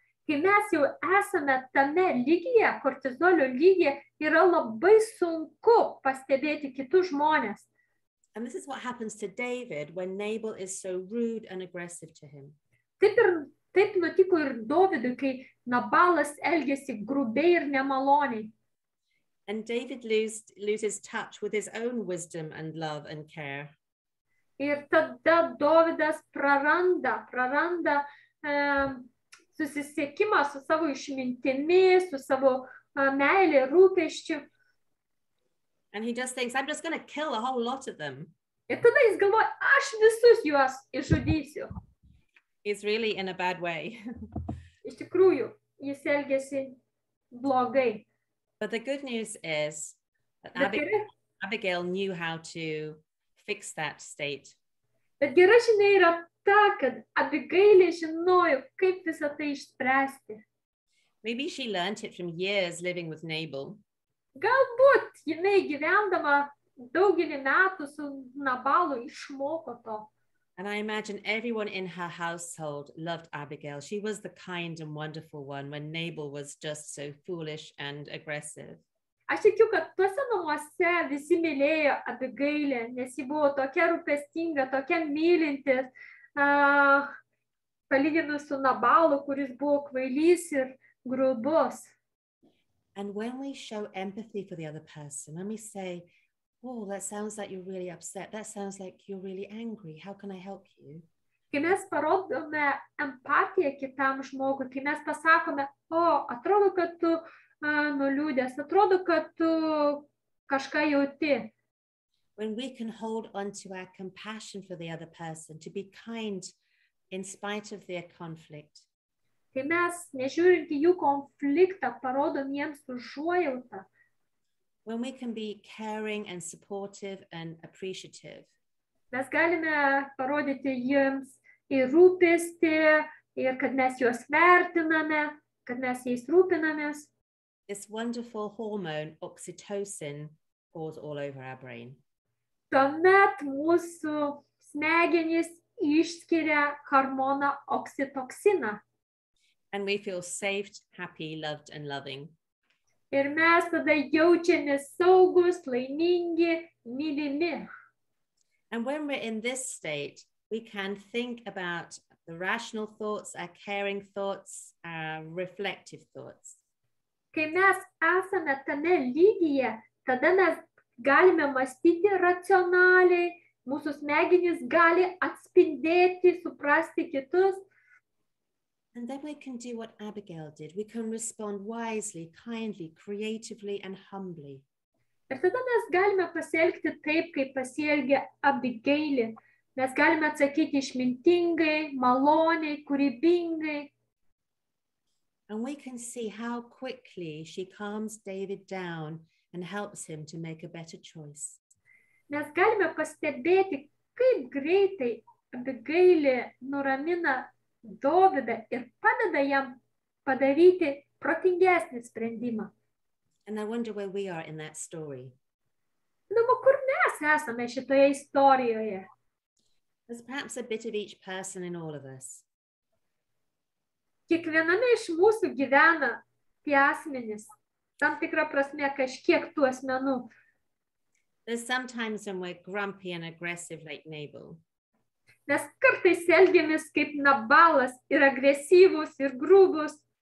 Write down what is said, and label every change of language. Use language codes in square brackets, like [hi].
[lt] Kai mes jau esame tame lygyje, kortizolio lygyje, yra labai sunku pastebėti kitus žmones. [en] And this is what happens to David when Nabal is so rude and aggressive to him. [lt] Taip nutiko ir Dovidui, kai Nabalas elgėsi grubiai ir nemaloniai. [en] And David loses touch with his own wisdom and love and care. [lt] Ir tada Dovidas praranda susisiekimą su savo išmintimi, su savo meilė, rūpeščiu. [en] And he just thinks, I'm just going to kill a whole lot of them. [lt] Ir tada jis galvoja, aš visus juos išžudysiu. [en] He's really in a bad way. [lt] Iš tikrųjų, jis elgiasi blogai. [en] But the good news is that Abigail knew how to fix that state. [lt] Bet gera žinia yra ta, kad Abigailė žinojo, kaip visą tai išspręsti. [en] Maybe she learned it from years living with Nabal. [lt] Galbūt jinai gyvendama daugelį metų su Nabalu išmoko to. [en] And I imagine everyone in her household loved Abigail. She was the kind and wonderful one when Nabal was just so foolish and aggressive. [lt] Aš tikiu, kad tuose namuose visi mylėjo Abigailę, nes ji buvo tokia rūpestinga, tokia mylinti, palyginus su Nabalu, kuris buvo kvailys ir grubus. [en] And when we show empathy for the other person, let me say, oh, that sounds like you're really upset. That sounds like you're really angry. How can I help you? [lt] Kai mes parodome empatiją kitam žmogui, kai mes pasakome, o, atrodo, kad tu nuliūdęs, atrodo, kad tu kažką jauti. [en] When we can hold on to our compassion for the other person, to be kind in spite of their conflict. [lt] Kai mes, nežiūrint į jų konfliktą, parodom jiems užuojautą. [en] When we can be caring and supportive and appreciative. [lt] Mes galime parodyti jiems ir rūpestį, ir kad mes juos vertiname, kad mes jais rūpinamės. [en] This wonderful hormone, oxytocin, pours all over our brain. [lt] Tuomet mūsų smegenys išskiria hormoną oksitoksiną. [en] And we feel safe, happy, loved and loving. [lt] Ir mes tada jaučiamės saugus, laimingi, mylimi. [en] And when we're in this state, we can think about the rational thoughts, our caring thoughts, our reflective thoughts. [lt] Kai mes esame tame lygyje, tada mes galime mąstyti racionaliai, mūsų smegenys gali atspindėti, suprasti kitus. [en] And then we can do what Abigail did. We can respond wisely, kindly, creatively, and humbly. [lt] Ir tada mes galime pasielgti taip, kaip pasielgė Abigailė. Mes galime atsakyti išmintingai, maloniai, kūrybingai. [en] And we can see how quickly she calms David down and helps him to make a better choice. [lt] Mes galime pastebėti, kaip greitai Abigailė nuramina Dovydą ir padeda jam padaryti protingesnį sprendimą. [en] And I wonder where we are in that story. [lt] Nu, kur mes esame šitoje istorijoje? [en] There's perhaps a bit of each person in all of us. [lt] Kiekviename iš mūsų gyvena tie asmenys, tam tikra prasme kažkiek tų asmenų. [en] There's sometimes when we're grumpy and aggressive like Nabal. [lt] Mes kartais elgiamės kaip Nabalas ir agresyvus ir grūbus.